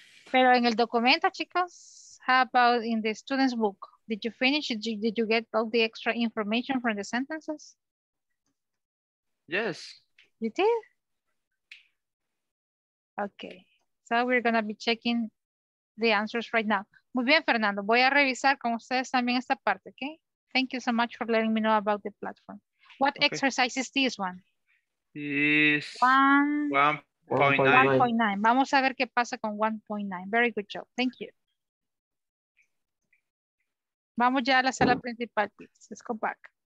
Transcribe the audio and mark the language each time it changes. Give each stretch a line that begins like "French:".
Spanish: Pero en el documento, chicos,
English: how about in the student's book? Did you finish? Did you get all the extra information from the sentences? Yes. You did? Okay. So we're going to be checking the answers right now.
Spanish: Muy bien, Fernando. Voy a revisar con ustedes también esta parte, okay?
English: Thank you so much for letting me know about the platform. What okay. exercise is this one? Is
Spanish: 1.9. Vamos a ver qué pasa con 1.9.
English: Very good job. Thank you.
Spanish: Vamos ya a la sala principal,
English: please. Let's go back.